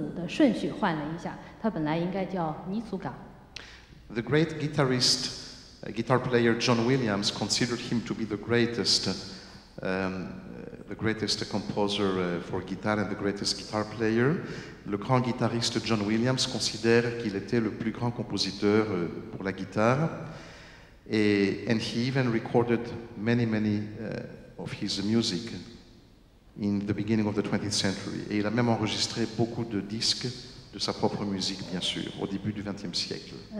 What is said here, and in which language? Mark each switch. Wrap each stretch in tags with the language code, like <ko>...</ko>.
<zh>他把自己的就是名字给改了，只是把这个字母的顺序换了一下。他本来应该叫尼苏嘎。</zh> <en>The great guitar player John Williams considered him to be the greatest composer for guitar and the greatest guitar player.</en> <fr>Le grand guitariste John Williams considère qu'il était le plus grand compositeur pour la guitare.</fr> <en>And he even recorded many of his music in the beginning of the 20th century.</en> <fr>Et il a même enregistré beaucoup de disques de sa propre musique, bien sûr, au début du 20e siècle.</fr>